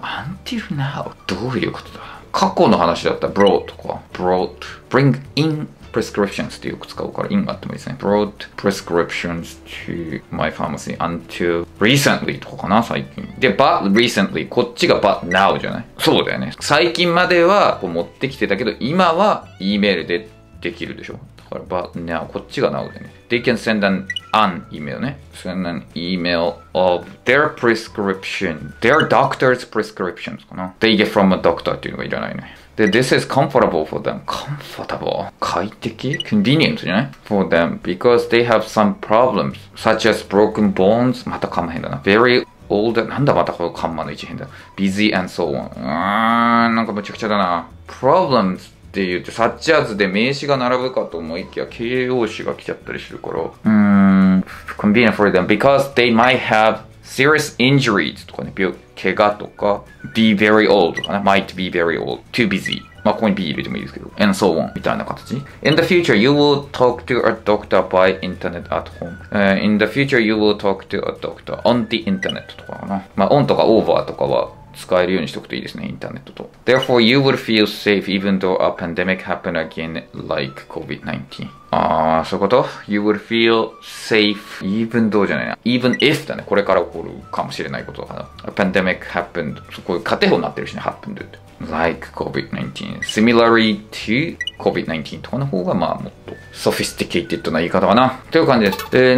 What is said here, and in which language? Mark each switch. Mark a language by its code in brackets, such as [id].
[ja] Until now? どういうことだ?過去の話だった brought とか [en] brought bring in prescriptions [ja] ってよく使うから in があってもいいですね。 [en] brought prescriptions to my pharmacy until recently [ja] とかかな、最近で。 [en] but recently こっちが but now じゃない。 [ja] そうだよね、最近まではこう持ってきてたけど今は e メールでできるでしょ。だから but now こっちが now でね。 [en] they can send an email ね、 send an emailof their prescription, their doctor's prescriptions かな。 They get from a doctor [ja] っていうのがいらないね。 [en] で、this is comfortable for them. [ja] Comfortable? 快適?Convenient じゃない? [en] For them, because they have some problems, such as broken bones. [ja] また噛まへんだな。 [en] Very [ja] old なんだまたこのカンマの位置変だ [en] busy and so on [ja] なんかむちゃくちゃだな problemsっていうと、サッチャーズで名詞が並ぶかと思いきや、形容詞が来ちゃったりするから。 [en] convenient for them because they might have serious injuries [ja] とかね、怪我とか、 [en] be very old とかね、might be very old, too busy. [ja] まあ、ここに be 入れてもいいですけど、and so on みたいな形。 [en] In the future, you will talk to a doctor by internet at home.、In the future, you will talk to a doctor on the internet とかかな。 [ja] まあ、on とか over とかは、使えるようにしておくといいですね、インターネットと。 [en] Therefore, you would feel safe even though a pandemic happened again like COVID-19. そういうこと ?You would feel safe even though じゃないな。Even if だね。 [ja] これから起こるかもしれないことだから。 [en] A pandemic happened. [ja] そこ、仮定法になってるしね、 [en] happened. Like COVID-19. Similarly to COVID-19 [ja] とかの方が、まあ、もっと sophisticated な言い方かな。という感じです。